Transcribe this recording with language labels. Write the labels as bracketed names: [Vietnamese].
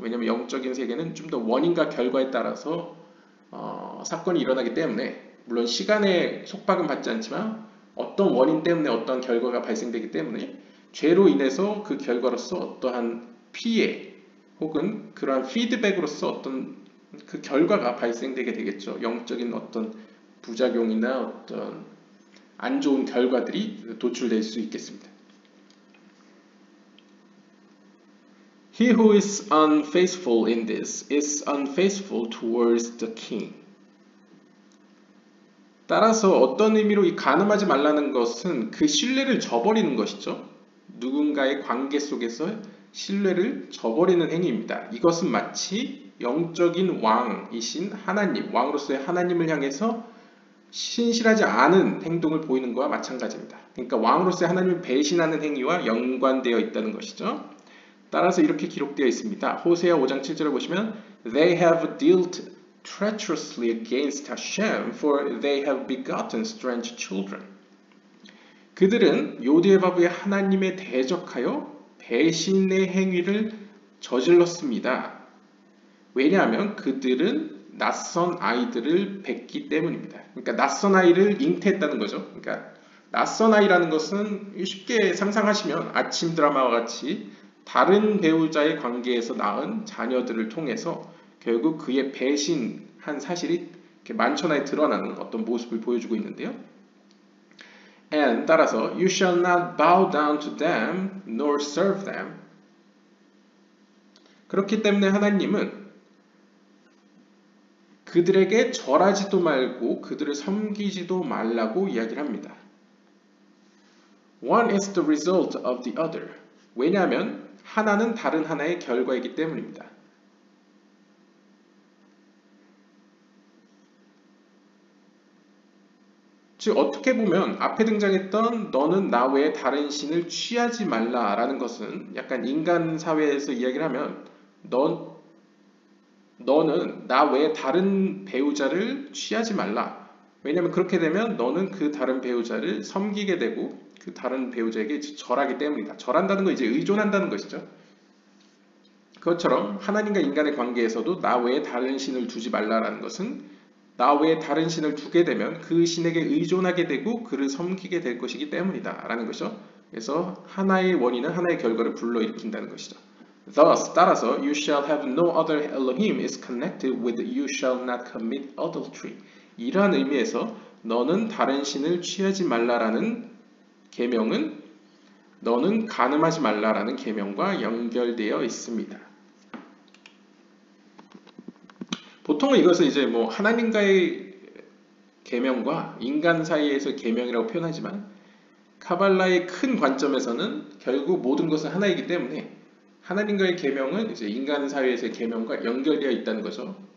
[Korean] 왜냐하면 영적인 세계는 좀 더 원인과 결과에 따라서 사건이 일어나기 때문에 물론 시간에 속박은 받지 않지만 어떤 원인 때문에 어떤 결과가 발생되기 때문에 죄로 인해서 그 결과로서 어떠한 피해 혹은 그러한 피드백으로서 어떤 그 결과가 발생되게 되겠죠. 영적인 어떤 부작용이나 어떤 안 좋은 결과들이 도출될 수 있겠습니다. [English] He who is unfaithful in this is unfaithful towards the king. [Korean] 따라서 어떤 의미로 이 가늠하지 말라는 것은 그 신뢰를 저버리는 것이죠. 누군가의 관계 속에서 신뢰를 저버리는 행위입니다. 이것은 마치 영적인 왕이신 하나님, 왕으로서의 하나님을 향해서 신실하지 않은 행동을 보이는 것과 마찬가지입니다. 그러니까 왕으로서의 하나님을 배신하는 행위와 연관되어 있다는 것이죠. 따라서 이렇게 기록되어 있습니다. 호세아 5장 7절을 보시면 [English] They have dealt treacherously against Hashem for they have begotten strange children. [Korean] 그들은 요디에바브의 하나님에 대적하여 배신의 행위를 저질렀습니다. 왜냐하면 그들은 낯선 아이들을 뵀기 때문입니다. 그러니까 낯선 아이를 잉태했다는 거죠. 그러니까 낯선 아이라는 것은 쉽게 상상하시면 아침 드라마와 같이 다른 배우자의 관계에서 낳은 자녀들을 통해서 결국 그의 배신한 사실이 이렇게 만천하에 드러나는 어떤 모습을 보여주고 있는데요. [English] And [Korean] 따라서 [English] You shall not bow down to them nor serve them. [Korean] 그렇기 때문에 하나님은 그들에게 절하지도 말고 그들을 섬기지도 말라고 이야기를 합니다. [English] One is the result of the other. [Korean] 왜냐하면 하나는 다른 하나의 결과이기 때문입니다. 즉 어떻게 보면 앞에 등장했던 너는 나 외에 다른 신을 취하지 말라라는 것은 약간 인간 사회에서 이야기를 하면 너는 나 외에 다른 배우자를 취하지 말라. 왜냐하면 그렇게 되면 너는 그 다른 배우자를 섬기게 되고 그 다른 배우자에게 절하기 때문이다. 절한다는 건 이제 의존한다는 것이죠. 그것처럼 하나님과 인간의 관계에서도 나 외에 다른 신을 두지 말라라는 것은 나 외에 다른 신을 두게 되면 그 신에게 의존하게 되고 그를 섬기게 될 것이기 때문이다. 라는 것이죠. 그래서 하나의 원인은 하나의 결과를 불러일으킨다는 것이죠. [English] Thus, [Korean] 따라서 [English] You shall have no other Elohim is connected with You shall not commit adultery. [Korean] 이러한 의미에서 너는 다른 신을 취하지 말라라는 계명은 너는 가늠하지 말라라는 계명과 연결되어 있습니다. 보통은 이것을 이제 뭐 하나님과의 계명과 인간 사이에서 계명이라고 표현하지만 카발라의 큰 관점에서는 결국 모든 것은 하나이기 때문에 하나님과의 계명은 이제 인간 사회에서의 계명과 연결되어 있다는 거죠.